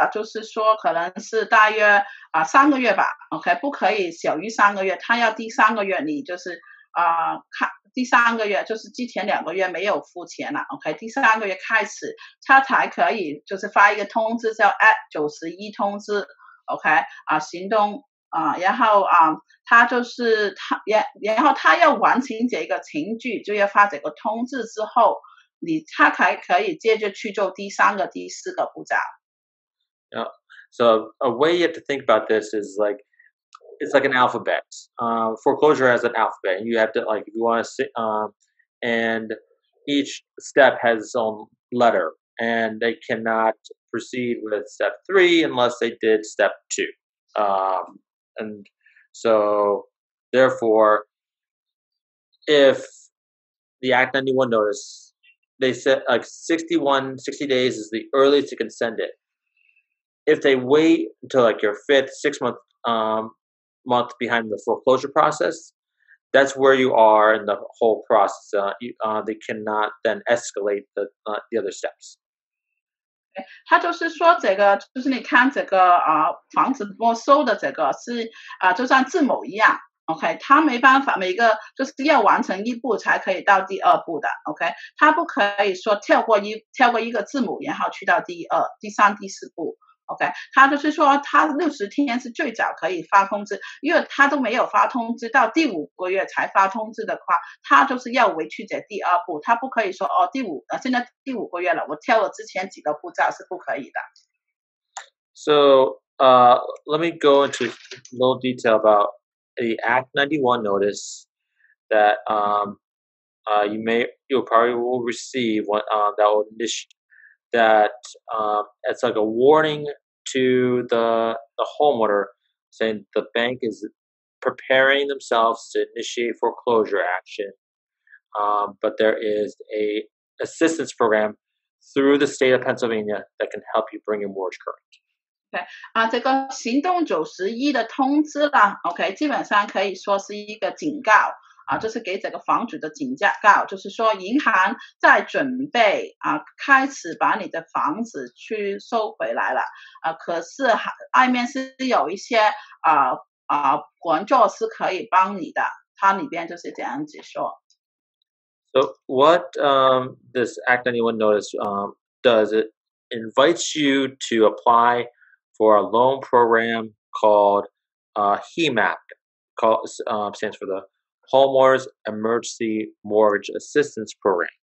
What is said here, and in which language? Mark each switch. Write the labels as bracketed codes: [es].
[zh] 他就是说第二步了，就是说可能是大约3个月吧 ，OK， 不可以小于3个月，他要第3个月，你就是第3个月就是之前2个月没有付钱了 ，OK， 第3个月开始他才可以就是发一个通知叫 @91通知 ，OK， 行动，然后他要完成这个程序，就要发这个通知之后。 [en] So a way you have to think about this is like it's like an alphabet. Foreclosure has an alphabet, and you have to like if you want to see. And each step has its own letter, and they cannot proceed with step three unless they did step two. And so, therefore, if the Act 91 notice. They said like 60 days is the earliest you can send it. If they wait until like your fifth, sixth month month behind the foreclosure process, that's where you are in the whole process. They cannot then escalate the other steps. [zh] 他就是说这个就是你看这个房子没收的这个是就像字母一样。 OK， 他没办法，每个就是要完成一步才可以到第二步的 ，OK， 他不可以说跳过一个字母，然后去到第二、第三、第四步 OK， 他就是说他60天是最早可以发通知，因为他都没有发通知到第五个月才发通知的话，他就是要委曲解第二步，他不可以说哦，第五现在第五个月了，我跳了之前几个步骤是不可以的。 [en] So, let me go into a little detail about the Act 91 notice that you'll probably will receive it's like a warning to the homeowner saying the bank is preparing themselves to initiate foreclosure action. But there is an assistance program through the state of Pennsylvania that can help you bring your mortgage current. [zh] Okay, 这个行动91的通知啦 ,OK, 基本上可以说是一个警告。就是给这个房主的警告，就是说银行在准备开始把你的房子去收回来了，可是外面是有一些工作是可以帮你的，它里边就是这样子说。 [en] So what this Act 91 notice does, it invites you to apply for a loan program called HEMAP, stands for the Homeowners Emergency Mortgage Assistance Program.